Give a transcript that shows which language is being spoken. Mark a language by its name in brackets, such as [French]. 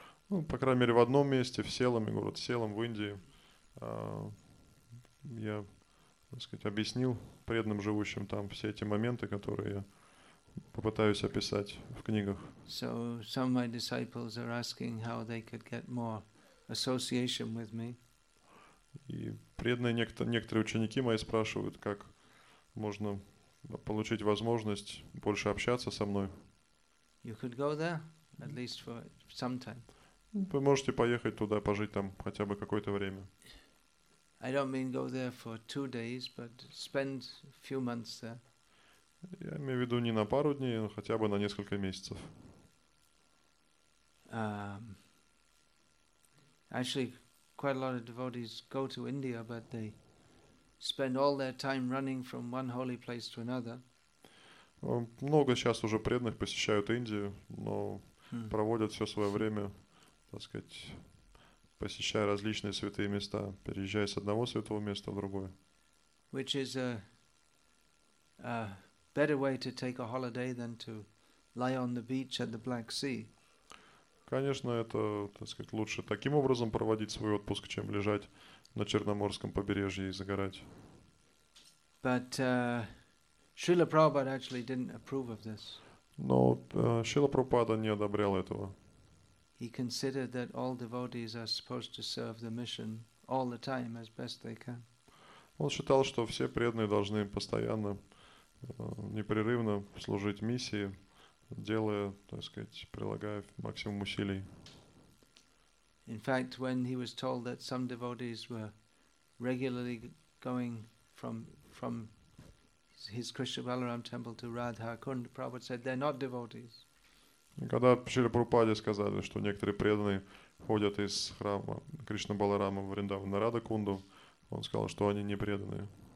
[Russian] Ну, по крайней мере, в одном месте, в Селаме, город Селам в Индии, я, так сказать, объяснил преданным, живущим там, все эти моменты, которые я попытаюсь описать в книгах. [English] So some of my disciples are asking how they could get more association with me. [Russian] И преданные некоторые ученики мои спрашивают, как можно получить возможность больше общаться со мной. [English] You could go there, at least for some time. [Russian] Вы можете поехать туда, пожить там хотя бы какое-то время. [English] I don't mean go there for 2 days, but spend a few months there. [Russian] Я имею в виду не на пару дней, но хотя бы на несколько месяцев. [English] Actually, quite a lot of devotees go to India, but they spend all their time running from one holy place to another. [Russian] Много сейчас уже преданных посещают Индию, но проводят все свое время, так сказать, посещая различные святые места, переезжая с одного святого места в другое. [English] Which is a better way to take a holiday than to lie on the beach at the Black Sea. [Russian] Конечно, это, так сказать, лучше таким образом проводить свой отпуск, чем лежать на Черноморском побережье и загорать. [English] But Srila Prabhupada actually didn't approve of this. [Russian] Но Srila Prabhupada не одобрял этого. [English] He considered that all devotees are supposed to serve the mission all the time as best they can. [Russian] Он считал, что все преданные должны постоянно, непрерывно служить миссии, делая, так сказать, прилагая максимум усилий. [English] In fact, when he was told that some devotees were regularly going from his Krishna Balaram temple to Radha Kund, Prabhupada said, they're not devotees. [Russian] Когда Шрила Прабхупаде сказали, что некоторые преданные ходят из храма Кришна Баларама в Вриндаван на Радха Кунду, он сказал, что они не преданные.